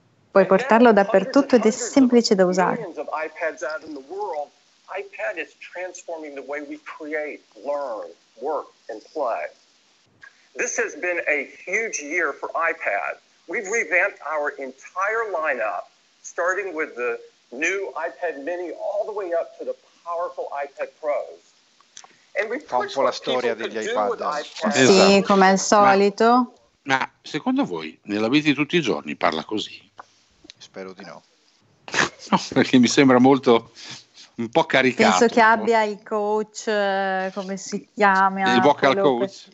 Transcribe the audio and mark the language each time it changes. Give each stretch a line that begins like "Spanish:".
Italian: Puoi portarlo dappertutto ed è semplice da usare.
English: iPad in the world. iPad is transforming the way we create, learn, work and play. This has been a huge year for iPad. We've revamped our entire lineup, starting with the new iPad Mini all the way up to the powerful iPad Pros. And we
Italian: un po' la storia degli iPad. Sì, come al solito. Ma secondo voi, nella vita di tutti i giorni, parla così? Spero di no. No, perché mi sembra molto un po' caricato. Penso che abbia il coach, come si chiama? Il vocal coach?